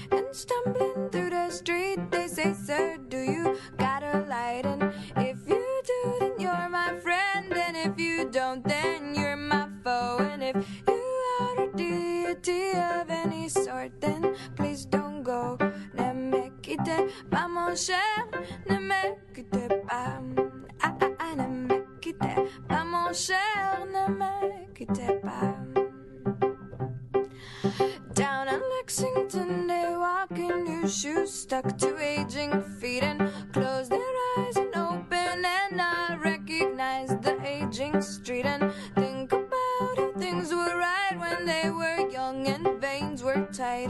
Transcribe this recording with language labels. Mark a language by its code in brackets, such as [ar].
[en] And stumbling through the street, they say, sir, do you got a light? And if you do, then you're my friend. And if you don't, then you're my foe. And if you are a deity of any sort, then please don't go. [fr] Ne me quitte pas mon cher, ne me quitte pas. Ah, ah, ah, ne me quitte pas mon cher, ne me quitte pas. [en] Down in Lexington, they walk in new shoes, stuck to aging feet, and close their eyes and open, and I recognize the aging street, and think about if things were right when they were young and veins were tight.